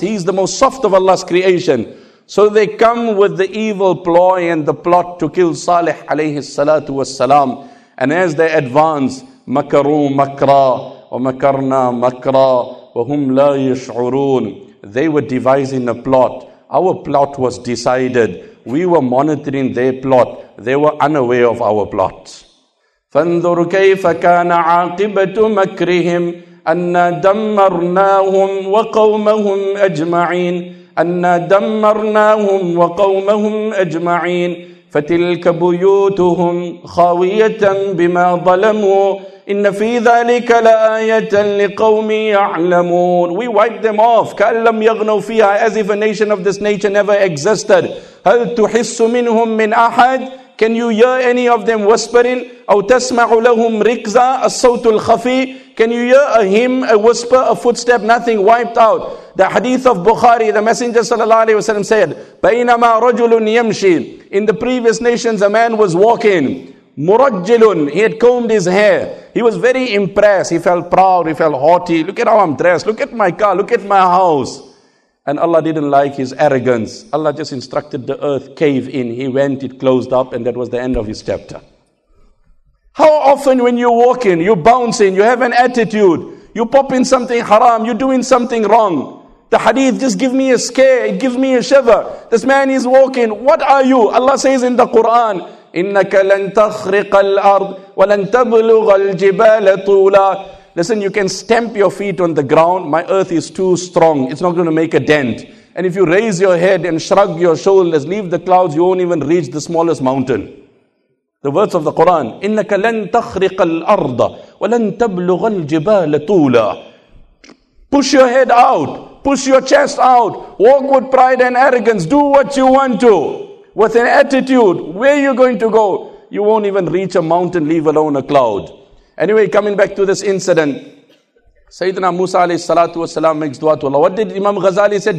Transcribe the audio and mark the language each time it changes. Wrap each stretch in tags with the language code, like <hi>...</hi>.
<en>He's the most soft of Allah's creation. So they come with the evil ploy and the plot to kill Salih alayhi salatu wassalam. And as they advance,</en> <ar>makaru makra, wa makarna makra, wa hum la yash'urun.</ar> <en>They were devising a plot. Our plot was decided. We were monitoring their plot. They were unaware of our plot.</en> <ar>فانظر كيف كان عاقبة مكرهم أن دمرناهم وقومهم أجمعين أن دمرناهم وقومهم أجمعين فتلك بيوتهم خاوية بما ظلموا إن في ذلك لآية لقوم يعلمون.</ar> <en>We wiped them off</en> <ar>كأن لم يغنوا فيها,</ar> <en>as if a nation of this nature never existed.</en> <ar>هل تحس منهم من أحد.</ar> <en>Can you hear any of them whispering?</en> <ar>أو تسمع لهم ركزا الصوت الخفي.</ar> <en>Can you hear a hymn, a whisper, a footstep? Nothing, wiped out. The hadith of Bukhari, the Messenger sallallahu alaihi wasallam said,</en> <ar>بينما رجل يمشي.</ar> <en>In the previous nations, a man was walking. مرجلٌ. He had combed his hair. He was very impressed. He felt proud. He felt haughty. Look at how I'm dressed. Look at my car. Look at my house. And Allah didn't like his arrogance. Allah just instructed the earth, cave in. He went, it closed up, and that was the end of his chapter. How often when you walk in, you bounce in, you have an attitude, you pop in something haram, you're doing something wrong. The hadith just give me a scare, it gives me a shiver. This man is walking, what are you? Allah says in the Quran,</en> <ar>إِنَّكَ لَن تَخْرِقَ الْأَرْضِ وَلَن تَبْلُغَ الْجِبَالَ طُولًا.</ar> <en>Listen, you can stamp your feet on the ground, my earth is too strong, it's not going to make a dent. And if you raise your head and shrug your shoulders, leave the clouds, you won't even reach the smallest mountain. The words of the Quran,</en> <ar>إِنَّكَ لَن تَخْرِقَ الْأَرْضَ وَلَن تَبْلُغَ الْجِبَالَ طُولًا.</ar> <en>Push your head out, push your chest out, walk with pride and arrogance, do what you want to. With an attitude, where are you going to go? You won't even reach a mountain, leave alone a cloud. Anyway, coming back to this incident, Sayyidina Musa alayhi salatu wasalam makes dua to Allah. What did Imam Ghazali say?</en>